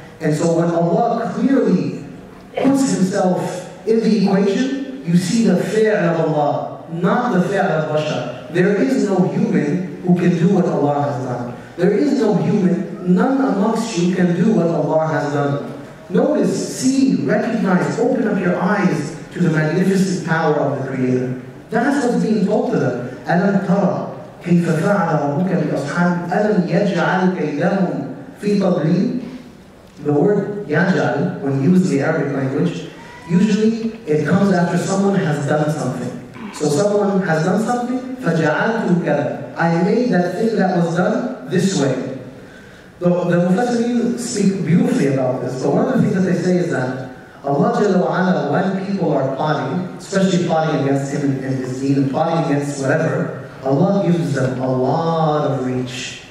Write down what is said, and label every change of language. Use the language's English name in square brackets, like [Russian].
[English] And so when Allah clearly puts himself in the equation, you see the fi'al of Allah, not the fi'al of Bashar. There is no human who can do what Allah has done. There is no human, none amongst you can do what Allah has done. Notice, see, recognize, open up your eyes to the magnificent power of the Creator. That's what's being told to them. [Arabic] أَلَمْ تَرَى كَيْفَ فَعَلَ رَبُّكَ بِأَصْحَابِ أَلَمْ يَجْعَلْ كَيْدَهُمْ فِي تَضْلِيلٍ. [English] The word يَجْعَلْ, when used in the Arabic language, Usually, it comes after someone has done something. So someone has done something, فَجَعَلْتُكَ I made that thing that was done this way. The Mufassirin speak beautifully about this. So one of the things that they say is that Allah Jalla wa'ala, when people are plotting, especially plotting against Him in His deen, plotting against whatever, Allah gives them a lot of reach.